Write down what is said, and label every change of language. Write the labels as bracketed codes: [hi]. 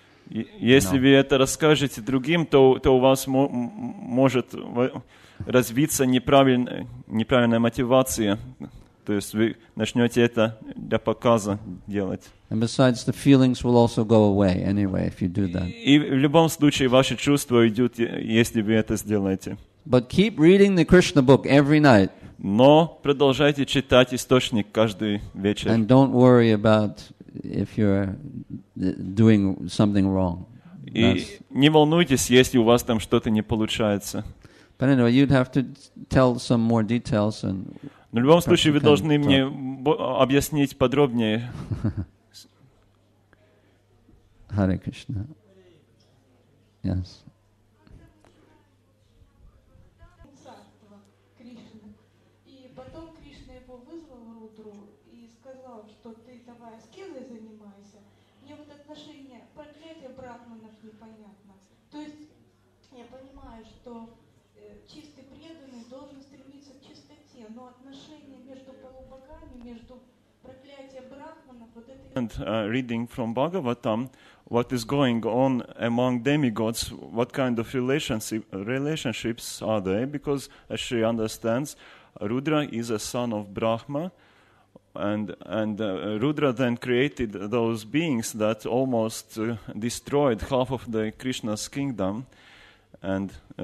[ru] Если вы это расскажете другим, то у вас может развиться неправильная мотивация. То есть вы начнете это для показа делать. [en] And besides, the feelings will also go away anyway if you do that. [ru] И в любом случае ваши чувства уйдут, если вы это сделаете. [en] But keep reading the Krishna book every night. [ru] Но продолжайте читать источник каждый вечер. [en] And don't worry about if you're doing something wrong. [ru] И не волнуйтесь, если у вас там что-то не получается. [en] But anyway, you'd have to tell some more details and. [ru] Но в любом случае, вы должны мне объяснить подробнее. Харе Кришна. [en] Yes. [ru] И потом Кришна его вызвал в утро и сказал, что ты давай аскезой занимайся. Мне вот отношение проклятия брахманов непонятно. То есть я понимаю, что чистый преданный должен стремиться к чистоте, но отношения между полубогами, между проклятием брахманов, вот это... [en] And reading from Bhagavatam, what is going on among demigods, what kind of relationships are they? Because as she understands, Rudra is a son of Brahma, and Rudra then created those beings that almost destroyed half of the Krishna's kingdom, and...